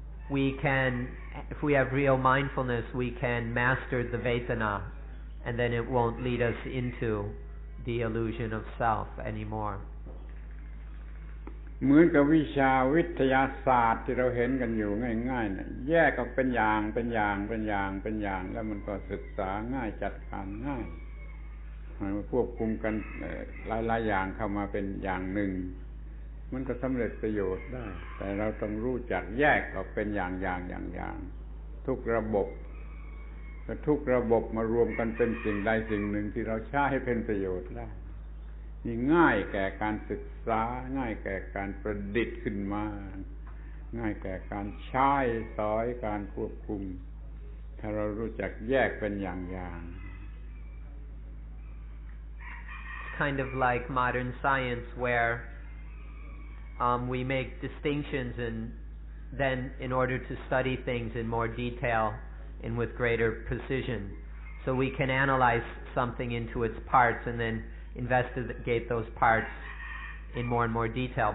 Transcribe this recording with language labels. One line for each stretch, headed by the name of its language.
English: If we have real mindfulness, we can master the vetana, and then it won't lead us into the illusion of self anymore.
Thai: เหมือนกับวิชาวิทยาศาสตร์ที่เราเห็นกันอยู่ง่ายๆน่ะแยกออกเป็นอย่างเป็นอย่างเป็นอย่างเป็นอย่างแล้วมันก็ศึกษาง่ายจัดการง่ายมันควบคุมกันหลายๆอย่างเข้ามาเป็นอย่างหนึ่งมันก็สำเร็จประโยชน์ได้แต่เราต้องรู้จักแยกออกเป็นอย่างอย่างอย่างอย่างทุกระบบ ก็ทุกระบบมารวมกันเป็นสิ่งใดสิ่งหนึ่งที่เราใช้ให้เป็นประโยชน์ได้นี่ง่ายแก่การศึกษาง่ายแก่การประดิษฐ์ขึ้นมาง่ายแก่การใช้สอยการควบคุมถ้าเรารู้จักแยกเป็นอย่างอย่าง
English: kind of like modern science where we make distinctions and then in order to study things in more detail and with greater precision so we can analyze something into its parts and then investigate those parts in more and more detail.